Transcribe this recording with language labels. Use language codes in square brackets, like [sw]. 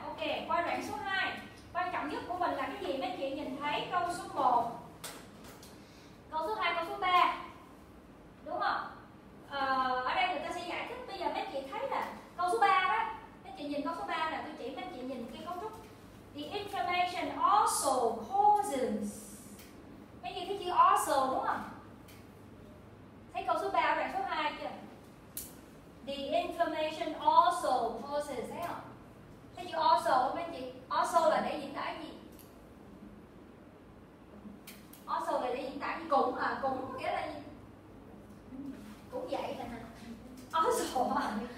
[vi] Ok, qua đoạn số 2. Quan trọng nhất của mình là cái gì? Mấy chị nhìn thấy câu số 1, câu số 2, câu số 3. Đúng không? Ở đây người ta sẽ giải thích. Bây giờ mấy chị thấy là câu số 3 đó. Mấy chị nhìn câu số 3 là tôi chỉ mấy chị nhìn cái cấu trúc. [en] The inflammation also causes. [vi] Mấy chị thấy chữ also đúng không? Thấy câu số 3 ở đoạn số 2 chưa? [en] The inflammation also causes, [vi] thấy không? Thấy chữ also không mấy chị? Also là để diễn tả gì? Also là để diễn tả gì? Cũng à, cũng có nghĩa là gì? Cũng vậy là nào? Also à?